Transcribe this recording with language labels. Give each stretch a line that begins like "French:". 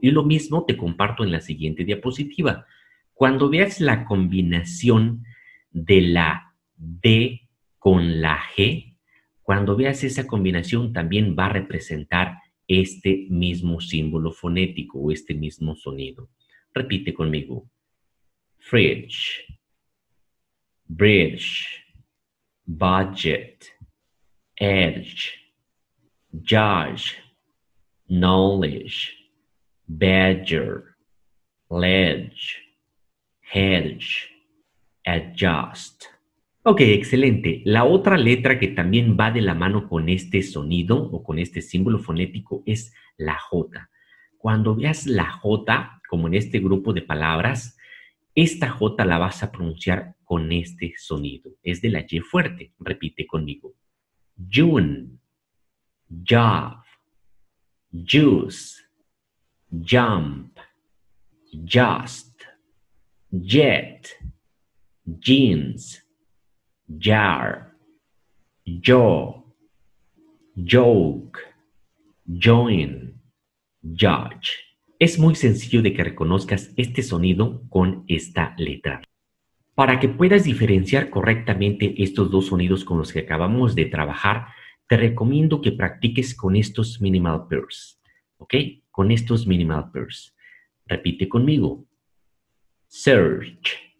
Spanish: Y lo mismo te comparto en la siguiente diapositiva. Cuando veas la combinación de la D con la G, cuando veas esa combinación también va a representar este mismo símbolo fonético o este mismo sonido. Repite conmigo.
English: Fridge, bridge, budget, edge, judge. Knowledge, badger, ledge, hedge, adjust.
Spanish: Ok, excelente. La otra letra que también va de la mano con este sonido o con este símbolo fonético es la J. Cuando veas la J, como en este grupo de palabras, esta J la vas a pronunciar con este sonido. Es de la Y fuerte. Repite conmigo.
English: June, job. Juice, jump, just, jet, jeans, jar, jaw, joke, join, judge.
Spanish: Es muy sencillo de que reconozcas este sonido con esta letra. Para que puedas diferenciar correctamente estos dos sonidos con los que acabamos de trabajar, te recomiendo que practiques con estos minimal pairs. ¿Ok? Con estos minimal pairs. Repite conmigo.
English: Search.